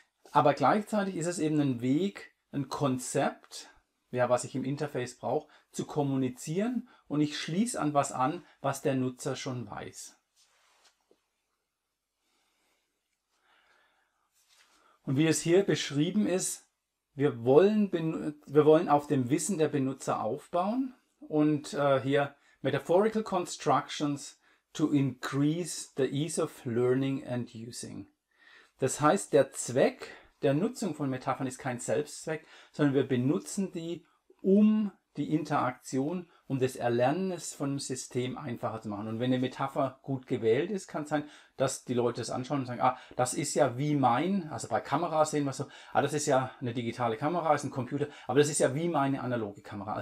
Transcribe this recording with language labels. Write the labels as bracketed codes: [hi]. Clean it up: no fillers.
[de] Aber gleichzeitig ist es eben ein Weg, ein Konzept, ja, was ich im Interface brauche, zu kommunizieren und ich schließe an was an, was der Nutzer schon weiß. Und wie es hier beschrieben ist, wir wollen auf dem Wissen der Benutzer aufbauen. Und hier, [en] metaphorical constructions to increase the ease of learning and using. [de] Das heißt, der Zweck der Nutzung von Metaphern ist kein Selbstzweck, sondern wir benutzen die, um die Interaktion, um das Erlernen von einem System einfacher zu machen. Und wenn eine Metapher gut gewählt ist, kann es sein, dass die Leute es anschauen und sagen, ah, das ist ja wie mein, also bei Kameras sehen wir so, ah, das ist ja eine digitale Kamera, ist ein Computer, aber das ist ja wie meine analoge Kamera.